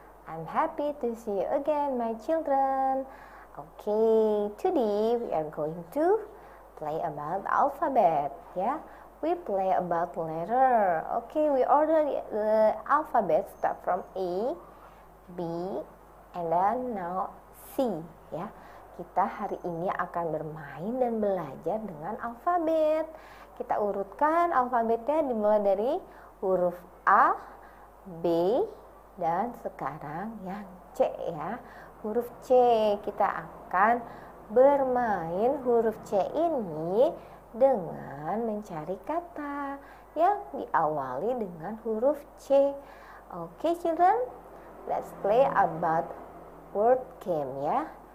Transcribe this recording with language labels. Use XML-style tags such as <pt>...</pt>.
<en>I'm happy to see you again, my children. Okay, today we are going to play about alphabet. Yeah, we play about letter. Okay, we order the alphabet start from A, B, and then now C. Yeah.</en> <id>Kita hari ini akan bermain dan belajar dengan alfabet. Kita urutkan alfabetnya dimulai dari huruf A, B, dan sekarang yang C ya. Huruf C, kita akan bermain huruf C ini dengan mencari kata yang diawali dengan huruf C.</id> <en>Okay, children, let's play about word game ya.</en>